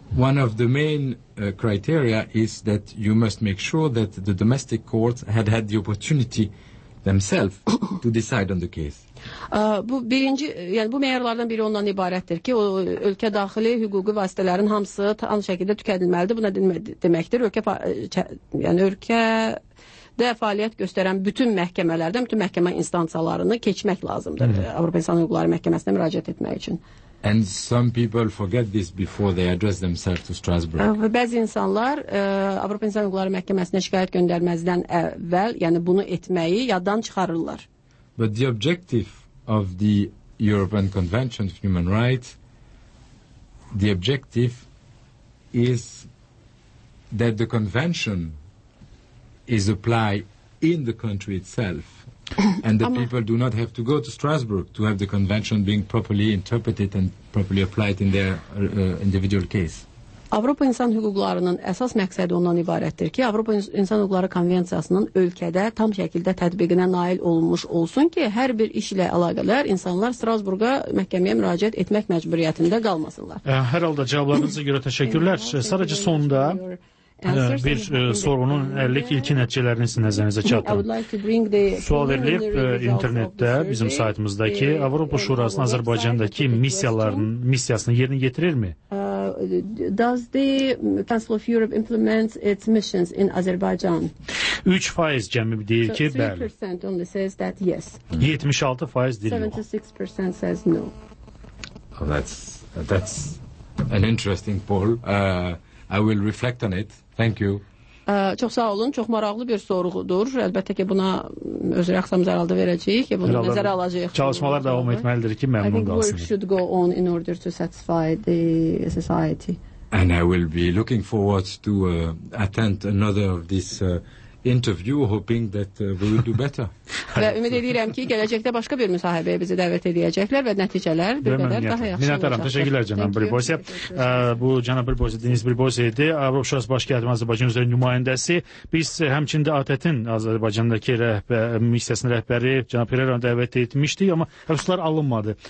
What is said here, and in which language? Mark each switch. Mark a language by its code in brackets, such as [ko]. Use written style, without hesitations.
[en] One of the main criteria is that you must make sure that the domestic courts had the opportunity themselves to decide on the case. [az] Bu birinci, yəni bu meyarlardan biri ondan ibarətdir ki, o ölkə daxili hüquqi vasitələrin hamısı tam şəkildə tükədilməlidir. Buna deməkdir. Ölkə yəni ölkədə fəaliyyət göstərən bütün məhkəmələrdən bütün məhkəmə instansiyalarını keçmək lazımdır. Mm-hmm. Avropa İnsan Hüquqları Məhkəməsinə müraciət etmək üçün. [en] And some people forget this before they address themselves to Strasbourg. [az] Bəzi insanlar Avropa İnsan Hüquqları Məhkəməsinə şikayət göndərməzdən əvvəl, yəni bunu etməyi yaddan çıxarırlar. [en] But the objective of the European Convention of Human Rights, the objective is that the convention is applied in the country itself. And the people do not have to go to Strasbourg to have the convention being properly interpreted and properly applied in their individual case. [az] Avropa İnsan Hüquqlarının əsas məqsədi ondan ibarətdir ki, Avropa İnsan Hüquqları Konvensiyasının ölkədə tam şəkildə tətbiqinə nail olunmuş olsun ki, hər bir işlə əlaqələr insanlar Strasburqa məhkəməyə müraciət etmək məcburiyyətində qalmasınlar. Hər halda cavablarınıza görə təşəkkürlər. Sadəcə sonda bir sorunun 50 ilki nəticələrini sizin nəzərinizə çatdırın. Sual verilib internetdə bizim saytımızdakı Avropa Şurasının Azərbaycandakı missiyasını yerinə yetirirmi? [en] does the Council of Europe implement its missions in Azerbaijan? [az] 3% cemi deyir ki, bəli. [en] 3% only says that yes. [az] 76% deyir yox. [en] 76% says no. That's an interesting poll. I will reflect on it. Thank you. [az] Çox sağ olun. Çox maraqlı bir sorğudur. Əlbəttə ki, buna öz reaksiyamız əraldı verəcəyik. Bunu nəzərə alacaq. Çalışmalar davam etməlidir ki, məmnun qalsın. [en] I think work should go on in order to satisfy the society. And I will be looking forward to attend another of this interview, hoping that we will do better. [az] Və ümid edirəm ki, gələcəkdə başqa bir müsahibəyə bizi dəvət edəcəklər və nəticələr bir qədər daha yaxşı olacaq. Minnətdaram, təşəkkürlər, cənab Bribosiya. Bu, cənab Bribosiya, Deniz Bribosiya idi. Avropa Şurası Baş Katibi Azərbaycan üzrə nümayəndəsi. Biz həmçində ATƏT-in Azərbaycandakı missiyasının rəhbəri cənab Pereira-nı dəvət etmişdik, amma həbslər alınmadı.